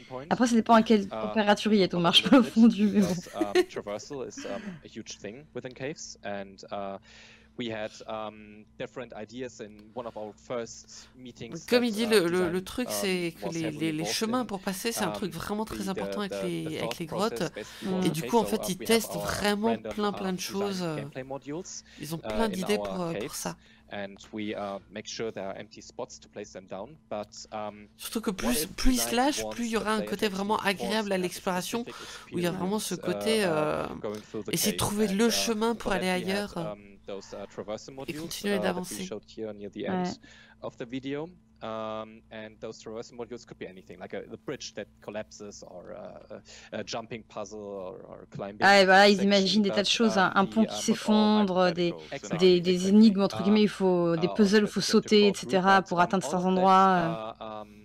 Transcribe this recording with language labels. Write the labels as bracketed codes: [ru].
[fr] Après ça dépend à quelle température il y a ton marshmallow fondu. [en] Traversal is a huge thing within caves and we had different ideas in one of our first meetings. [fr] Comme il dit, le truc, c'est que les chemins pour passer, c'est un truc vraiment très important avec les grottes. Mm. Et du coup, en fait, ils testent vraiment plein de choses. Ils ont plein d'idées pour ça. [en] And we make sure there are empty spots to place them down. But [fr] surtout que plus ils se lâchent, plus il y aura un côté vraiment agréable à l'exploration, où il y a vraiment ce côté essayer de trouver le chemin pour aller ailleurs. [en] those traverser modules that we showed here near the end of the video. And those traverser modules could be anything, like a bridge that collapses, or a jumping puzzle, or climbing. [fr] Ah, voilà, ils imaginent des tas de choses, un pont qui s'effondre, des énigmes entre guillemets, il faut des puzzles, il faut sauter, etc., pour atteindre certains endroits.